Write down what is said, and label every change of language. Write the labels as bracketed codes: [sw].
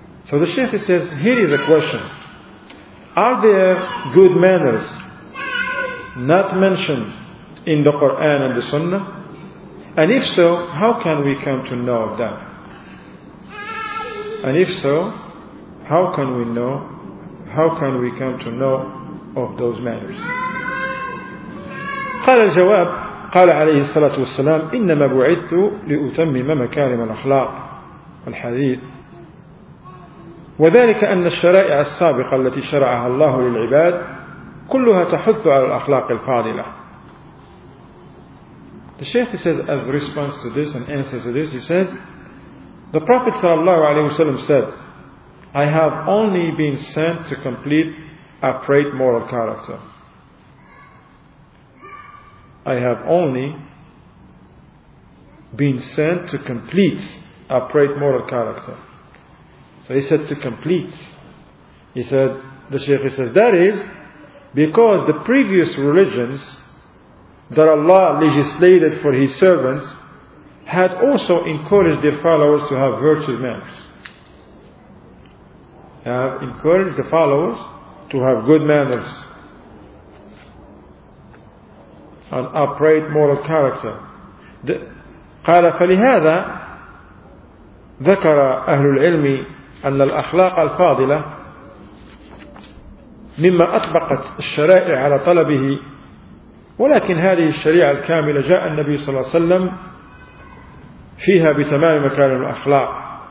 [en] So the Shaykh says, here is a question. Are there good manners not mentioned in the Quran and the Sunnah? And if so, how can we come to know of them? And if so, how can we know? How can we come to know of those manners? [ar] قال الجواب قال عليه الصلاة والسلام إنما بعثت لأتمم مكارم الأخلاق الحديث وذلك أن الشرائع السابقة التي شرعها الله للعباد كلها تحث على الأخلاق الفاضلة. [en] The Shaykh says, as response to this and answer to this, he says, the Prophet [ar] صلى الله عليه وسلم [en] said, I have only been sent to complete upright moral character. I have only been sent to complete upright moral character. So he said to complete. He said, the Shaykh says, that is because the previous religions that Allah legislated for His servants had also encouraged their followers to have virtuous manners. Have encouraged the followers to have good manners and upright moral character. [ar] قال فلهذا ذكر أهل العلم أن الأخلاق الفاضلة مما أطبقت الشرائع على طلبه، ولكن هذه الشريعة الكاملة جاء النبي صلى الله عليه وسلم فيها بتمام مكارم الأخلاق.